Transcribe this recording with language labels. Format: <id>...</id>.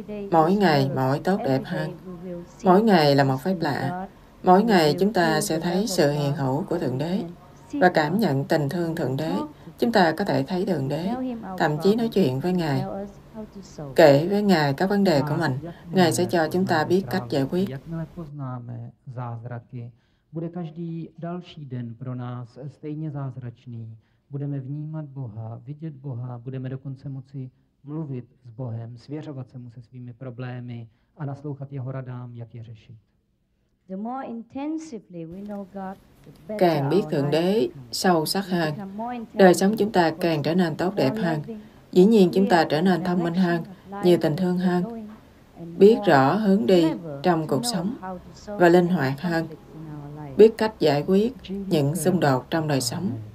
<vi>Mỗi ngày mỗi tốt đẹp hơn. Mỗi ngày là một phép lạ. Mỗi ngày chúng ta sẽ thấy sự hiện hữu của Thượng Đế và cảm nhận tình thương Thượng Đế. Chúng ta có thể thấy Thượng Đế, thậm chí nói chuyện với Ngài, kể với Ngài các vấn đề của mình. Ngài sẽ cho chúng ta biết cách giải quyết.</vi> <cs>Jakmile poznáme zázraky, bude každý další den pro nás stejně zázračný. Budeme vnímat Boha, vidět Boha, budeme dokonce moci mluvit s Bohem, svěřovat se mu se svými problémy a naslouchat jeho radám, jak je řešit.</cs> <en>The more intensively we know God,</en> <vi>càng biết Thượng Đế sâu sắc hơn, đời sống chúng ta càng trở nên tốt đẹp hơn. Dĩ nhiên chúng ta trở nên thông minh hơn, nhiều tình thương hơn, biết rõ hướng đi trong cuộc sống và linh hoạt hơn, biết cách giải quyết những xung đột trong đời sống.</vi>